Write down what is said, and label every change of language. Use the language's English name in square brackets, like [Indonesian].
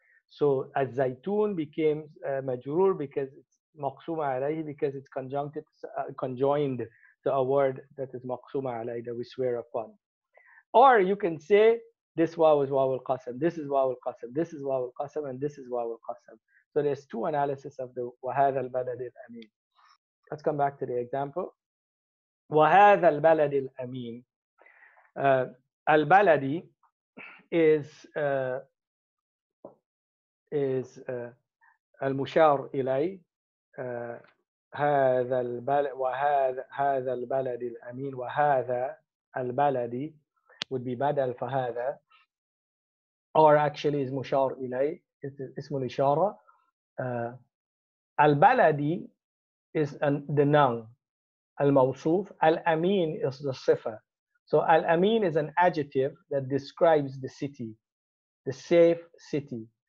[English] So al-zaytun became majrur because it's maqsuma alayhi, because it's conjuncted, conjoined to a word that is maqsuma alayhi, that we swear upon. Or you can say this waw is waw al-qasam, this is waw al-qasam, this is waw al-qasam, and this is waw al-qasam. So there's two analysis of the [Arabic] wahad al-balad al-amin. [English] Let's come back to the example. [Arabic] وهذا البلد الأمين. البلدي is المشار إلي. هذا البلد وهذا البلد الأمين. وهذا البلدي [English] would be [Arabic] بدل فهذا. [English] Or actually is [Arabic] مشار إلي. اسم الإشارة. [English] البلدي is the noun. Al-Mawsuf, Al-Amin is the sifa. So Al-Amin is an adjective that describes the city, the safe city.